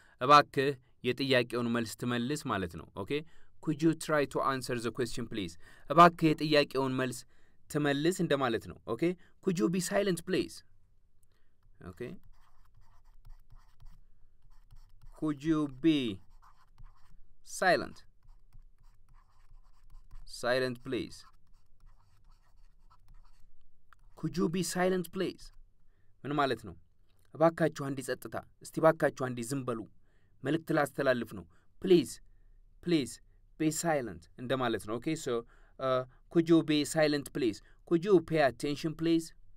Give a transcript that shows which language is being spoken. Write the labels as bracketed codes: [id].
[am] እባክህ የጥያቄውን መልስ ትመልስ ማለት ነው. [en] Okay, could you try to answer the question please? [am] እባክህ የጥያቄውን መልስ ትመልስ እንደማለት ነው. [en] Okay, could you be silent please? Okay, could you be silent? Silent please. Could you be silent please? [am] ምን ማለት ነው? እባካችሁ አንዴ ጸጥታ እስቲ እባካችሁ አንዴ ዝም በሉ መልእክት ላስተላልፍ ነው. [en] Please, please, be silent. [am] እንደማለት ነው. [en] Okay, so, could you be silent, please? Could you pay attention, please?